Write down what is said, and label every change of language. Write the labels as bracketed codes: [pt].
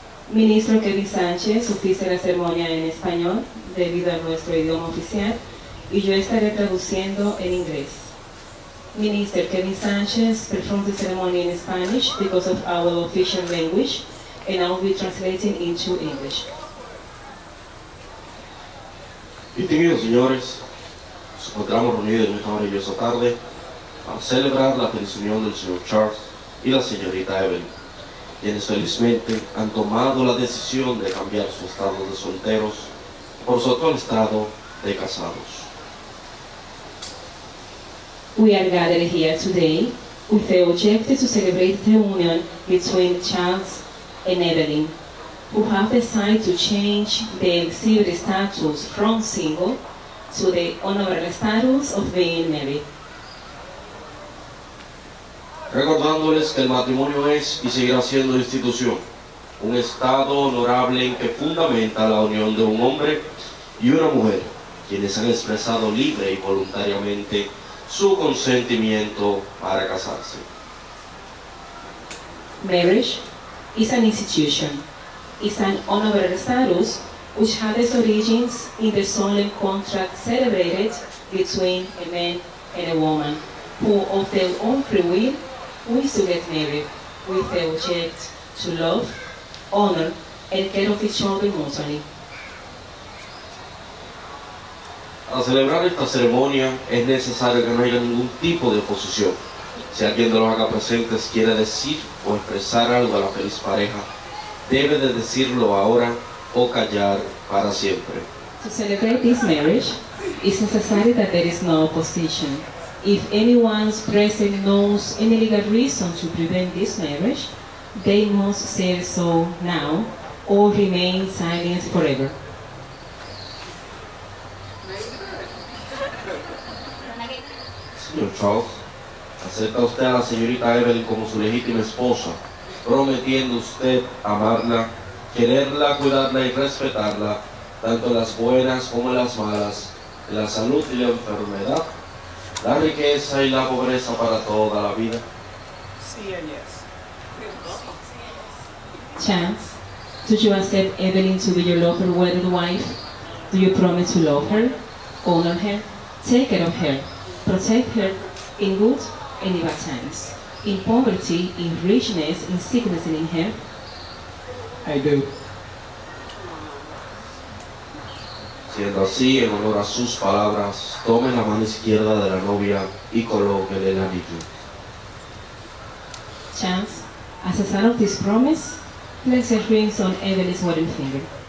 [es] Ministro Kevin Sánchez oficia la ceremonia en español debido a nuestro idioma oficial y yo estaré traduciendo en inglés. [en] Minister Kevin Sánchez performs the ceremony in Spanish because of our official language. And I'll be translating into English. [es] Distinguidos señores, nos encontramos reunidos en esta maravillosa tarde para celebrar la feliz unión del señor Charles y la señorita Evelyn, quienes felizmente han tomado la decisión de cambiar su estado de solteros por su actual estado de casados. [en] We are gathered here today with the objective to celebrate the union between Charles and Evelyn, who have decided to change their civil status from single to the honorary status of being married. [es] Recordándoles que el matrimonio es y seguirá siendo institución, un estado honorable en que fundamenta la unión de un hombre y una mujer, quienes han expresado libre y voluntariamente su consentimiento para casarse. [en] Marriage is an institution, is an honorary status which has its origins in the solemn contract celebrated between a man and a woman who of their own free will wish to get married with the object to love, honor, and care of each other mutually. [es] Al celebrar esta ceremonia es necesario que no haya ningún tipo de oposición. Si alguien de los acá presentes quiere decir o expresar algo a la feliz pareja, debe de decirlo ahora o callar para siempre. [en] To celebrate this marriage, it's necessary that there is no opposition. If anyone present knows any legal reason to prevent this marriage, they must say so now or remain silent forever. [es] Señor Charles, acepta usted a la señorita Evelyn como su legítima esposa, prometiendo usted amarla, quererla, cuidarla y respetarla, tanto las buenas como las malas, la salud y la enfermedad, la riqueza y la pobreza para toda la vida. Sí, yes. [en] Chance, do you accept Evelyn to be your lawful wedded wife? Do you promise to love her, honor her, take care of her, protect her in good and evil times, in poverty, in richness, in sickness and in health? I do. [es] Siendo así, en honor a sus palabras, tome la mano izquierda de la novia y colóquele el anillo. [en] Chance, as a sign of this promise, place your rings on Evelyn's wedding finger.